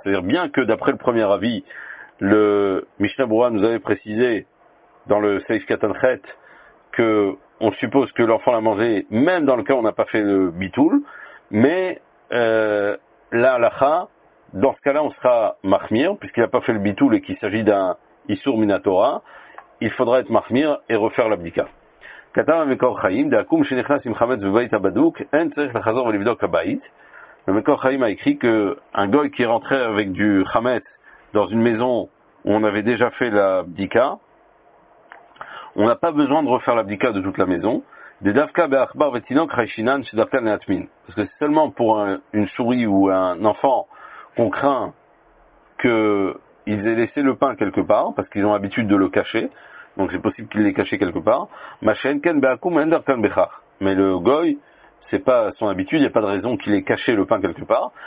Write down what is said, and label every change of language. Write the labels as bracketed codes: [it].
[fr] C'est-à-dire bien que d'après le premier avis, le Mishnah Berurah nous avait précisé dans le Seif Katan Chet que on suppose que l'enfant l'a mangé même dans le cas où on n'a pas fait le bitoul, mais là l'acha, dans ce cas-là on sera machmir puisqu'il n'a pas fait le bitoul et qu'il s'agit d'un issur minatora, il faudra être machmir et refaire l'abdika. [he] כתב המקור חיים, דעקום שנכנס עם חמץ בבית הבדוק, אין צריך לחזור ולבדוק הבית. במקור חיים העקרי, [fr] qu'un goy qui rentrait avec du חמץ dans une maison où on avait déjà fait la בדיקה, on n'a pas besoin de refaire la בדיקה de toute la maison. [he] דדווקא בעכבר ותינוק חיישינן שדווקא להטמין. [fr] Parce que c'est seulement pour une souris ou un enfant qu'on craint qu'ils aient laissé le pain quelque part, parce qu'ils ont l'habitude de le cacher. Donc c'est possible qu'il l'ait caché quelque part. Mais le goy, c'est pas son habitude, il n'y a pas de raison qu'il ait caché le pain quelque part.